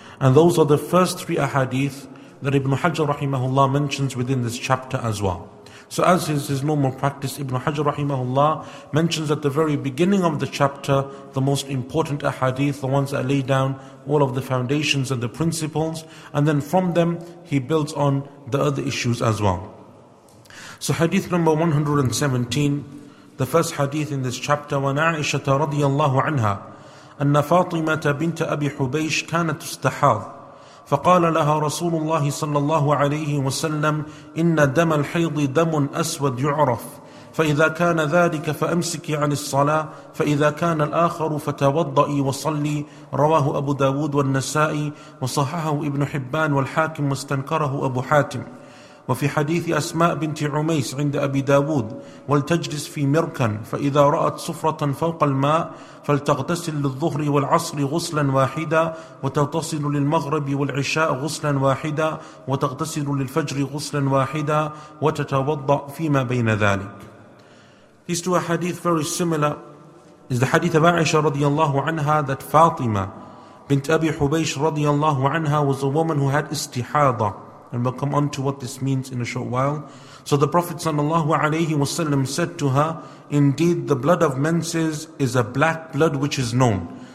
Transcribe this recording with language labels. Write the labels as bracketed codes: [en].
[en] And those are the first three ahadith that Ibn Hajar rahimahullah mentions within this chapter as well. So as is his normal practice, Ibn Hajar rahimahullah mentions at the very beginning of the chapter the most important ahadith, the ones that lay down all of the foundations and the principles, and then from them he builds on the other issues as well. So hadith number 117, the first hadith in this chapter, [ar] وَنَعِشَةَ رَضِيَ اللَّهُ عَنْهَا أَنَّ فَاطِمَةَ بِنْتَ أَبِي حُبَيْشْ كَانَتْ تُسْتَحَاضُ فقال لها رسول الله صلى الله عليه وسلم إن دم الحيض دم أسود يعرف فإذا كان ذلك فأمسكي عن الصلاة فإذا كان الآخر فتوضئي وصلي. رواه أبو داود والنسائي وصححه ابن حبان والحاكم واستنكره أبو حاتم. وفي حديث أسماء بنت عميس عند أبي داود ولتجلس في مركا فإذا رأت صفرة فوق الماء فلتغتسل للظهر والعصر غسلا واحدا وتغتسل للمغرب والعشاء غسلا واحدا وتغتسل للفجر غسلا واحدا وتتوضأ فيما بين ذلك. [en] These two hadith very similar is the hadith of Aisha radiallahu anha that Fatima bint Abi Hubaysh radiallahu anha was a woman who had istihada. And we'll come on to what this means in a short while. So the Prophet sallallahu alayhi wasallam said to her, indeed the blood of menses is a black blood which is known.